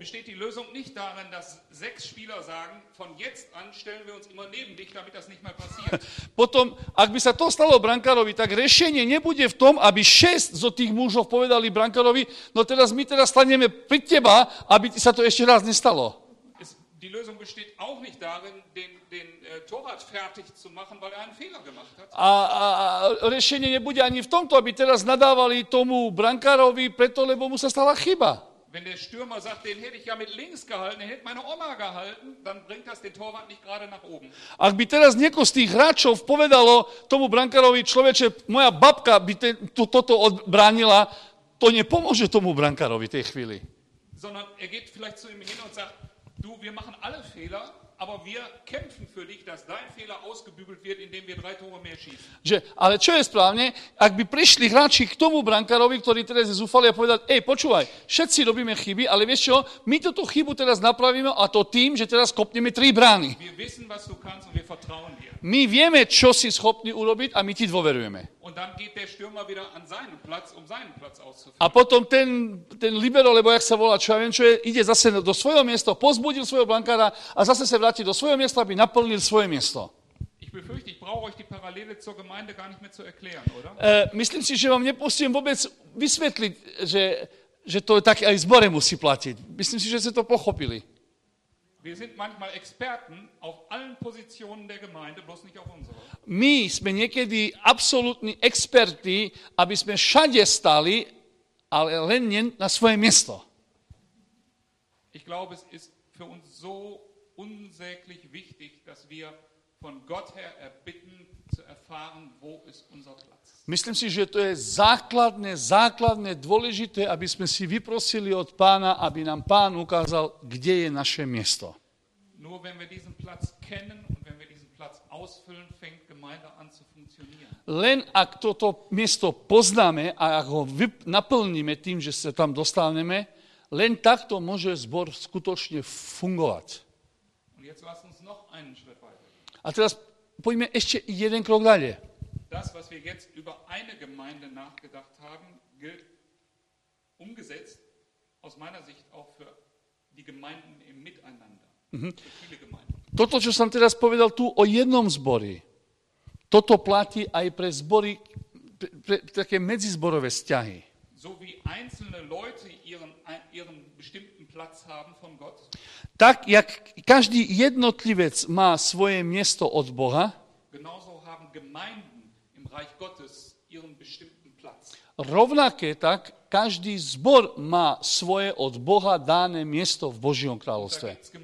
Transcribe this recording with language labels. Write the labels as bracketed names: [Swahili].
[German] Besteht die Lösung nicht darin, dass sechs Spieler sagen, von jetzt an stellen wir uns immer neben dich, damit das nicht mehr passiert. [Slovak] Potom, ak by sa to stalo brankárovi, tak riešenie nebude v tom, aby šesť zo tých mužov povedali brankárovi, no teraz my teraz staneme pri teba, aby sa to ešte raz nestalo. [German] Die Lösung besteht auch nicht darin, den Torwart fertig zu machen, weil er einen Fehler gemacht hat. [Slovak] A riešenie nebude ani v tomto, aby teraz nadávali tomu brankárovi, preto lebo mu sa stala chyba. [German] Wenn der Stürmer sagt, den hätte ich ja mit links gehalten, den hätte meine Oma gehalten, dann bringt das den Torwart nicht gerade nach oben. [Slovak] Ak by teraz nieko z tých hráčov povedalo tomu brankárovi, človeče, moja babka by toto odbránila, to nepomôže tomu brankárovi tej chvíli. [German] Sondern er geht vielleicht zu ihm hin und sagt, du, wir machen alle Fehler, aber wir kämpfen für dich, dass dein Fehler ausgebügelt wird, indem wir drei Tore mehr schießen. [Slovak] Že, ale čo je správne, ak by prišli hráči k tomu brankárovi, ktorý teraz je zúfalý a povedať, ej, počúvaj, všetci robíme chyby, ale vieš čo, my túto chybu teraz napravíme a to tým, že teraz kopneme tri brány. [German] Wir wissen, was du kannst und wir vertrauen dir. [Slovak] My vieme, čo si schopný urobiť a my ti dôverujeme. [German] Und dann geht der Stürmer wieder an seinen Platz, um seinen Platz auszufüllen. [Slovak] A potom ten libero, lebo jak sa volá, čo ja viem, čo je, ide zase do svojho miesta, pozbudil svojho brankára a zase sa vráti do svojho miesta, aby naplnil svoje miesto. [German] Ich befürchte, ich brauche euch die Parallele zur Gemeinde gar nicht mehr zu erklären, oder? [Slovak] Myslím si, že vám nepustím vôbec vysvetliť, že to tak aj zbore musí platiť. Myslím si, že ste to pochopili. [German] Wir sind manchmal Experten auf allen Positionen der Gemeinde, bloß nicht auf unserer. [Slovak] My sme niekedy absolútni experti, aby sme všade stali, ale len nie na svoje miesto. [German] Ich glaube, es ist für uns so unsäglich wichtig, dass wir von Gott her erbitten zu erfahren, wo ist unser Platz. [Slovak] Myslím si, že to je základné dôležité, aby sme si vyprosili od Pána, aby nám Pán ukázal, kde je naše miesto. [German] Nur wenn wir diesen Platz kennen und wenn wir diesen Platz ausfüllen, fängt Gemeinde an zu funktionieren. [Slovak] Len ak toto miesto poznáme a ak ho naplníme tým, že sa tam dostaneme, len takto môže zbor skutočne fungovať. [German] Und jetzt lass uns noch einen Schritt weiter. [Slovak] A teraz poďme ešte jeden krok ďalej. [German] Das, was wir jetzt über eine Gemeinde nachgedacht haben, gilt umgesetzt aus meiner Sicht auch für die Gemeinden im Miteinander. Mhm. [Slovak] Toto, čo som teraz povedal tu o jednom zbori, toto platí aj pre zbory, pre také medzizborové vzťahy. [German] So wie einzelne Leute ihren bestimmten Platz haben von Gott. [Slovak] Tak jak každý jednotlivec má svoje miesto od Boha, [German] genauso haben Gemeinden im Reich Gottes ihren bestimmten Platz. [Slovak] Rovnaké tak každý zbor má svoje od Boha dané miesto v Božom kráľovstve.